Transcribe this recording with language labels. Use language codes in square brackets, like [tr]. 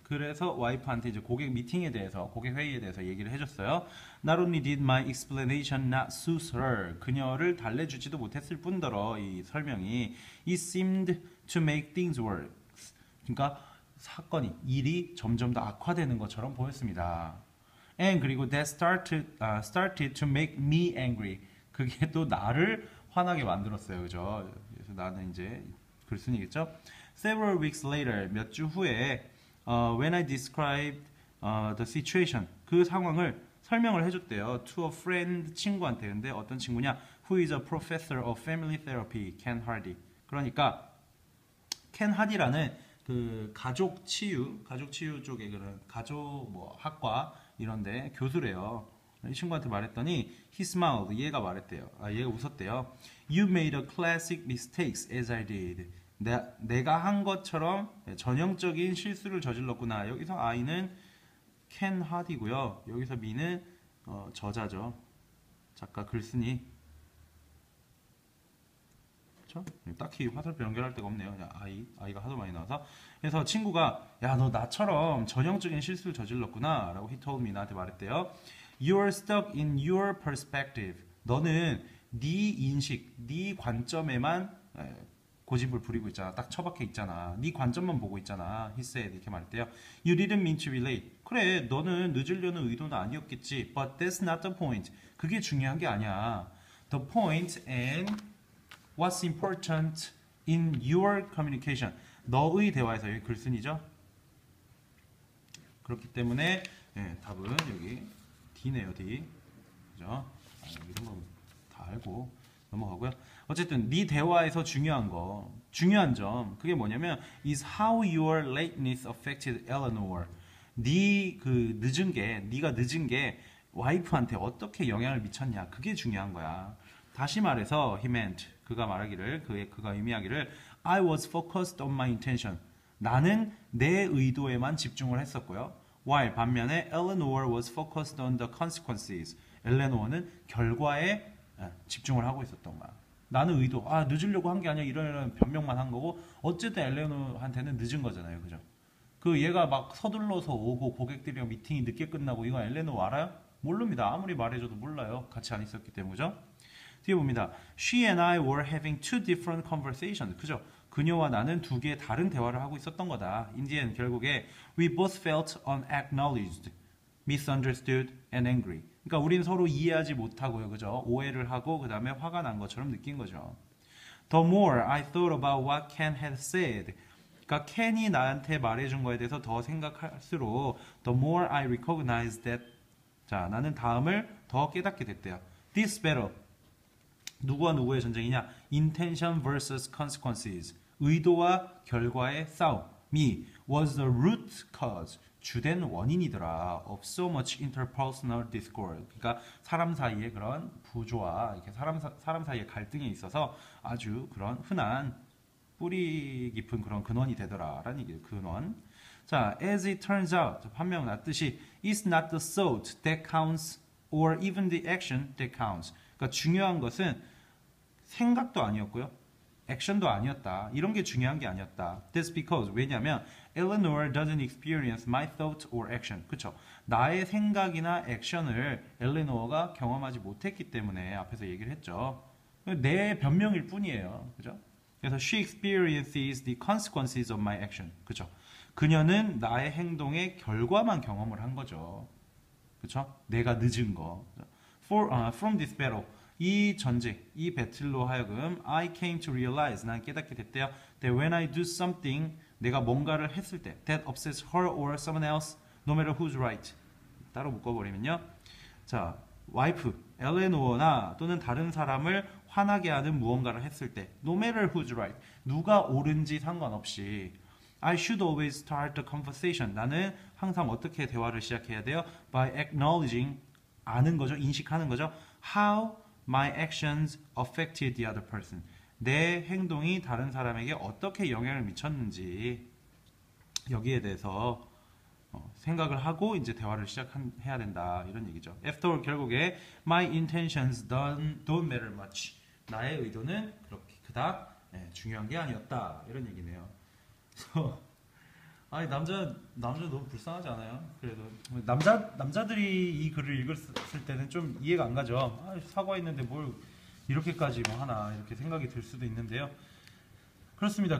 [ko] 그래서 와이프한테 이제 고객 미팅에 대해서, 고객 회의에 대해서 얘기를 해줬어요. [en] Not only did my explanation not soothe her, [ko] 그녀를 달래주지도 못했을 뿐더러 이 설명이 [en] It seemed to make things worse. [ko] 그러니까 사건이, 일이 점점 더 악화되는 것처럼 보였습니다. [en] And [ko] 그리고 [en] that started to make me angry. [ko] 그게 또 나를 화나게 만들었어요. 그죠? 그래서 나는 이제 글쓴이겠죠? [en] Several weeks later, [ko] 몇주 후에, [en] when I described, the situation, [ko] 그 상황을 설명을 해줬대요. [en] To a friend, [ko] 친구한테. 근데 어떤 친구냐? [en] Who is a professor of family therapy, Ken Hardy. [ko] 그러니까, Ken Hardy라는 그 가족 치유 쪽에 그런 가족 뭐 학과 이런데 교수래요. 이 친구한테 말했더니, [en] he smiled. [ko] 얘가 말했대요. 아, 얘가 웃었대요. [en] You made a classic mistakes as I did. [ko] 내가 한 것처럼 전형적인 실수를 저질렀구나. 여기서 I는 켄 하디고요. 여기서 미는 저자죠. 작가 글쓴이. 그쵸? 딱히 화살표 연결할 데가 없네요. 그냥 I가 하도 많이 나와서. 그래서 친구가 야, 너 나처럼 전형적인 실수를 저질렀구나. 라고 [en] he told me [ko] 나한테 말했대요. [en] You're stuck in your perspective. [ko] 너는 네 인식, 네 관점에만 고집을 부리고 있잖아. 딱 처박혀 있잖아. 네 관점만 보고 있잖아. [en] He said [ko] 이렇게 말했대요. [en] You didn't mean to be late. [ko] 그래, 너는 늦으려는 의도는 아니었겠지. [en] But that's not the point. [ko] 그게 중요한 게 아니야. [en] The point and what's important in your communication. [ko] 너의 대화에서 여기 글쓴이죠? 그렇기 때문에 네, 답은 여기 D네요, D. 그죠? 아, 이런 거다 알고 넘어가고요. 어쨌든 네 대화에서 중요한 점 그게 뭐냐면 [en] is how your lateness affected Eleanor. [ko] 네그 늦은 게 네가 늦은 게 와이프한테 어떻게 영향을 미쳤냐 그게 중요한 거야. 다시 말해서 [en] he meant [ko] 그가 말하기를 그가 의미하기를 [en] I was focused on my intention. [ko] 나는 내 의도에만 집중을 했었고요. [en] While [ko] 반면에 [en] Eleanor was focused on the consequences. [ko] 엘레노어는 결과에 집중을 하고 있었던가. 나는 의도, 아, 늦으려고 한게 아니야. 이런 변명만 한 거고 어쨌든 엘레노어한테는 늦은 거잖아요, 그죠? 그 얘가 막 서둘러서 오고 고객들이랑 미팅이 늦게 끝나고 이거 엘레노어 알아요? 모릅니다. 아무리 말해줘도 몰라요. 같이 안 있었기 때문에, 그죠? 뒤에 봅니다. [en] She and I were having two different conversations. [ko] 그죠? 그녀와 나는 두 개의 다른 대화를 하고 있었던 거다. [en] In the end, [ko] 결국에 [en] we both felt unacknowledged, misunderstood, and angry. [ko] 그러니까 우리는 서로 이해하지 못하고요, 그죠? 오해를 하고 그 다음에 화가 난 것처럼 느낀 거죠. [en] The more I thought about what Ken had said, [ko] 그러니까 Ken이 나한테 말해준 거에 대해서 더 생각할수록 [en] the more I recognized that, [ko] 자, 나는 다음을 더 깨닫게 됐대요. [en] This battle. [ko] 누구와 누구의 전쟁이냐? [en] Intention versus consequences. [ko] 의도와 결과의 싸움이 [en] was the root cause. 주된 원인이더라. Of so much interpersonal discord. [ko] 그러니까 사람 사이의 그런 부조화, 이렇게 사람 사이의 갈등에 있어서 아주 그런 흔한 뿌리 깊은 그런 근원이 되더라라는 얘기예요. 근원. 자, [en] as it turns out, [ko] 판명 났듯이 [en] it's not the thought that counts or even the action that counts. [ko] 그러니까 중요한 것은 생각도 아니었고요. 액션도 아니었다. 이런 게 중요한 게 아니었다. [en] That's because, [ko] 왜냐면, [en] Eleanor doesn't experience my thought or action. [ko] 그쵸? 나의 생각이나 액션을 엘레노어가 경험하지 못했기 때문에 앞에서 얘기를 했죠. 내 변명일 뿐이에요. 그죠? 그래서 [en] she experiences the consequences of my action. [ko] 그쵸? 그녀는 나의 행동의 결과만 경험을 한 거죠. 그쵸? 내가 늦은 거. [en] From this battle. [ko] 이 전쟁, 이 배틀로 하여금 [en] I came to realize, [ko] 난 깨닫게 됐대요. [en] That when I do something, [ko] 내가 뭔가를 했을 때 [en] That upsets her or someone else, no matter who's right. [ko] 따로 묶어버리면요. 자, wife, 엘레노어나 또는 다른 사람을 화나게 하는 무언가를 했을 때 [en] No matter who's right, [ko] 누가 옳은지 상관없이 [en] I should always start the conversation. [ko] 나는 항상 어떻게 대화를 시작해야 돼요? [en] By acknowledging, [ko] 아는 거죠, 인식하는 거죠. [en] How My actions affected the other person. [ko] 내 행동이 다른 사람에게 어떻게 영향을 미쳤는지 여기에 대해서 생각을 하고 이제 대화를 해야 된다 이런 얘기죠. [en] After all, [ko] 결국에 [en] My intentions don't matter much. [ko] 나의 의도는 그렇게 그닥 중요한 게 아니었다 이런 얘기네요. 아니 남자 너무 불쌍하지 않아요? 그래도 남자들이 이 글을 읽었을 때는 좀 이해가 안 가죠. 아, 사과했는데 뭘 이렇게까지 뭐 하나 이렇게 생각이 들 수도 있는데요. 그렇습니다.